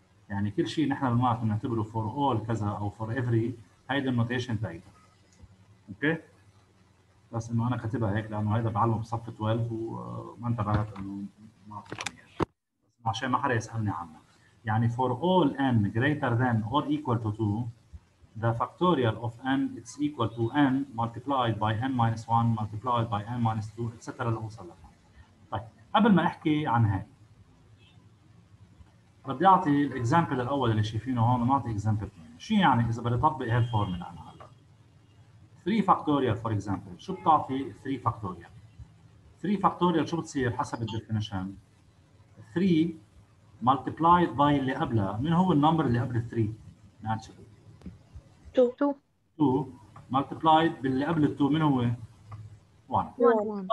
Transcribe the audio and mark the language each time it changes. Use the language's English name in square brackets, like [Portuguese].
[Arabic] يعني كل شيء نحن بالمعرفة نعتبره [English] for all [Arabic] كذا أو [English] for every، [Arabic] هيدا النوتيشن تاعتها. أوكي؟ بس إنه أنا كاتبها هيك لأنه هيدا بعلمه بصف 12 وما انتبهت إنه ما أعطيكم إياه. بس عشان ما حدا يسألني عنه. [English] يعني for all n greater than or equal to 2 the factorial of n it's equal to n multiplied by n minus 1 multiplied by n minus 2 etc. [Arabic] لأوصل لها. طيب، قبل ما أحكي عن هاي بدي اعطي الاكزامبل الاول اللي شايفينه هون ونعطي اكزامبل ثاني. شو يعني اذا بدي اطبق هالفورمولا انا هلا؟ 3 فاكتوريال [English] for example, [Arabic] شو بتعطي 3 فاكتوريال؟ 3 فاكتوريال شو بتصير حسب الديفينيشن؟ 3 مالتيبلايد باي اللي قبلها، مين هو النمبر اللي قبل 3؟ ناتشرال 2 2 مالتيبلايد باللي قبل 2 مين هو؟ 1.